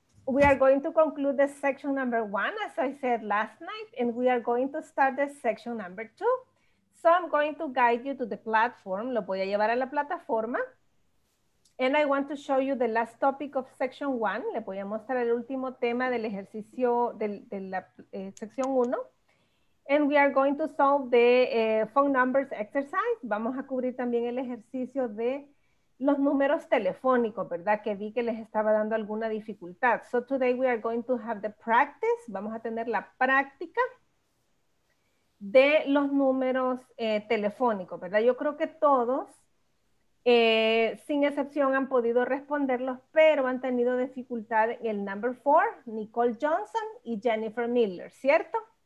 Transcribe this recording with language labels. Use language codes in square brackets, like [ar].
[en] We are going to conclude the section number one, as I said last night, and we are going to start the section number two. So I'm going to guide you to the platform. [es] Lo voy a llevar a la plataforma. [en] And I want to show you the last topic of section one. [es] Le voy a mostrar el último tema del ejercicio de la sección uno. [en] And we are going to solve the phone numbers exercise. [es] Vamos a cubrir también el ejercicio de los números telefónicos, ¿verdad? Que vi que les estaba dando alguna dificultad. [en] So today we are going to have the practice. [es] Vamos a tener la práctica de los números telefónicos, ¿verdad? Yo creo que todos, sin excepción, han podido responderlos, pero han tenido dificultad el [en] number four, [es] Nicole Johnson y Jennifer Miller, ¿cierto?